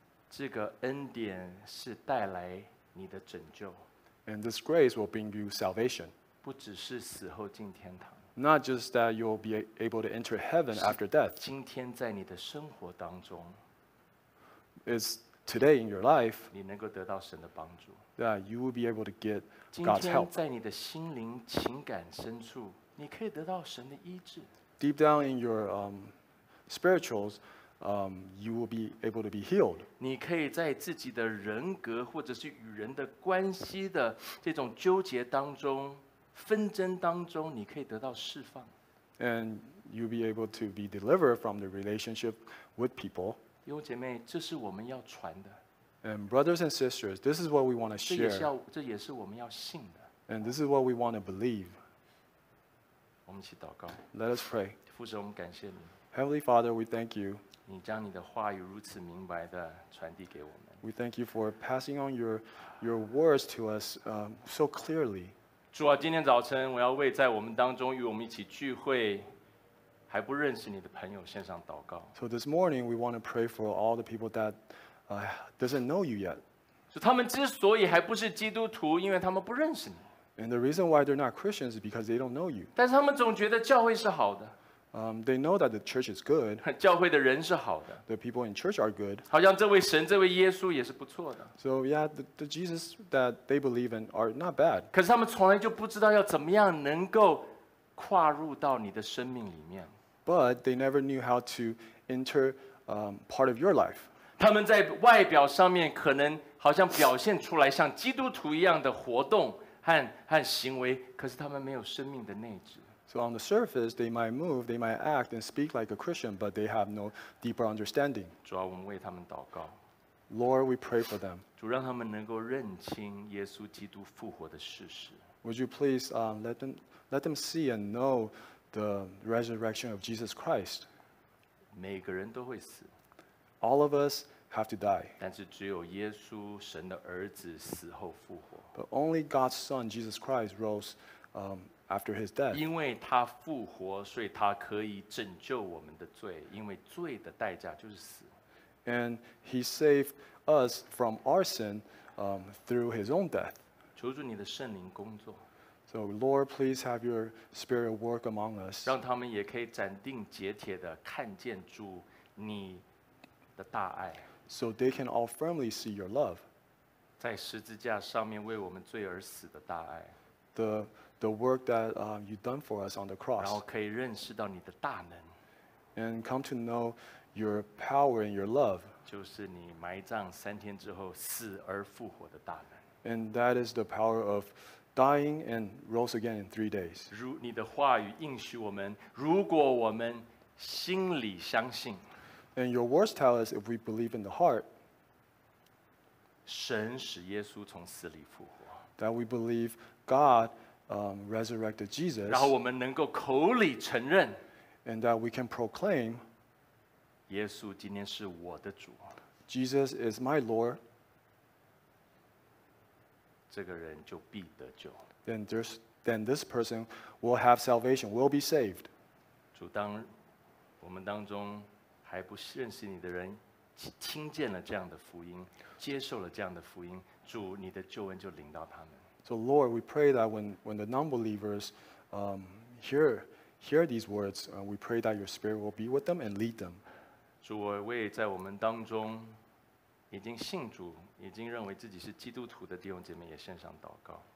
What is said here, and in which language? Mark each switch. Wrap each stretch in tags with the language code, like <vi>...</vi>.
<zh>这个恩典是带来你的拯救。</zh> <en>And this grace will bring you salvation.</en> <zh>不只是死后进天堂。</zh> <en>Not just that you'll be able to enter heaven after death.</en> <zh>今天在你的生活当中。</zh> <en>It's... Today in your life,</en> <zh>你能够得到神的帮助。</zh> <en>Yeah, you will be able to get God's help.</en> <zh>今天在你的心灵情感深处，你可以得到神的医治。</zh> <en>Deep down in your spirituals, you will be able to be healed.</en> <zh>你可以在自己的人格或者是与人的关系的这种纠结当中、纷争当中，你可以得到释放。</zh> <en>And you'll be able to be delivered from the relationship with people.</en> <zh>弟兄姐妹，这是我们要传的。</zh> <en>And brothers and sisters, this is what we want to share.</en> <zh>这也是我们要信的。</zh> <en>And this is what we want to believe.</en> <zh>我们一起祷告。</zh> <en>Let us pray.</en> <zh>父神，我们感谢你。</zh> <en>Heavenly Father, we thank you.</en> <zh>你将你的话语如此明白的传递给我们。</zh> <en>We thank you for passing on your words to us so clearly.</en> <zh>主啊，今天早晨我要为在我们当中与我们一起聚会还不认识你的朋友献上祷告。</zh> <en>So this morning we want to pray for all the people that doesn't know you yet.</en> <zh>他们之所以还不是基督徒，因为他们不认识你。</zh> <en>And the reason why they're not Christians is because they don't know you.</en> <zh>但是他们总觉得教会是好的。</zh> <en>They know that the church is good.</en> <zh>教会的人是好的。</zh> <en>The people in church are good.</en> <zh>好像这位神，这位耶稣也是不错的。</zh> <en>So yeah, the Jesus that they believe in are not bad.</en> <zh>可是他们从来就不知道要怎么样能够跨入到你的生命里面。</zh> <en>But they never knew how to enter part of your life.</en> <zh>他们在外表上面可能好像表现出来像基督徒一样的活动 和行为，可是他们没有生命的内质。</zh> <en>So on the surface, they might move, they might act and speak like a Christian, but they have no deeper understanding.</en> <zh>主要我们为他们祷告。</zh> <en>Lord, we pray for them.</en> <zh>主让他们能够认清耶稣基督复活的事实。</zh> <en>Would you please let them see and know the resurrection of Jesus Christ?</en> <zh>每个人都会死。</zh> <en>All of us have to die.</en> <zh>但是只有耶稣，神的儿子死后复活。</zh> <en>But only God's Son, Jesus Christ, rose after his death.</en> <zh>因为他复活，所以他可以拯救我们的罪，因为罪的代价就是死。</zh> <en>And he saved us from our sin through his own death.</en> <zh>求主你的圣灵工作。</zh> <en>So Lord, please have your spirit work among us.</en> <zh>让他们也可以斩钉截铁地看见主你的大爱。</zh> <en>So they can all firmly see your love.</en> <zh>在十字架上面为我们罪而死的大爱。</zh> <en>The work that you've done for us on the cross.</en> <zh>然后可以认识到你的大能。</zh> <en>And come to know your power and your love.</en> <zh>就是你埋葬三天之后死而复活的大能。</zh> <en>And that is the power of dying and rose again in 3 days.</en> <zh>如你的话语应许我们，如果我们心里相信。</zh> <en>And your words tell us if we believe in the heart.</en> <zh>神使耶稣从死里复活。</zh> <en>That we believe God resurrected Jesus.</en> <zh>然后我们能够口里承认。</zh> <en>And that we can proclaim.</en> <zh>耶稣今天是我的主。</zh> <en>Jesus is my Lord.</en> <zh>这个人就必得救。</zh> <en>Then this person will have salvation, will be saved.</en> <zh>主当我们当中还不认识你的人听见了这样的福音，接受了这样的福音，主你的救恩就临到他们。</zh> <en>So Lord, we pray that when the non-believers hear these words, we pray that your spirit will be with them and lead them.</en> <zh>主，我为在我们当中已经信主，已经认为自己是基督徒的弟兄姐妹也献上祷告。</zh>